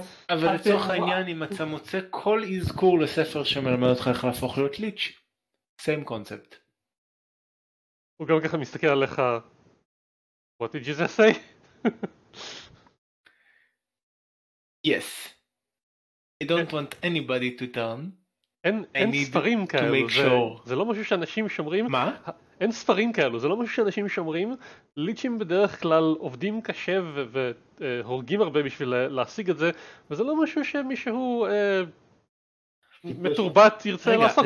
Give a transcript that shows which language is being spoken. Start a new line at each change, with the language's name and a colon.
Hebrew: אבל לצורך העניין, אם אתה מוצא כל אזכור לספר שמלמד אותך איך להפוך להיות ליץ',
English: same concept.
Hebrew: הוא גם ככה מסתכל עליך,
English: what did you say? Yes, I don't want anybody to turn.
Hebrew: אין ספרים כאלו, זה לא משהו שאנשים שומרים. מה? אין ספרים כאלו, זה לא משהו שאנשים שומרים. ליצ'ים בדרך כלל עובדים קשה והורגים הרבה בשביל להשיג את זה, וזה לא משהו שמישהו מטורבת ירצה לעשות.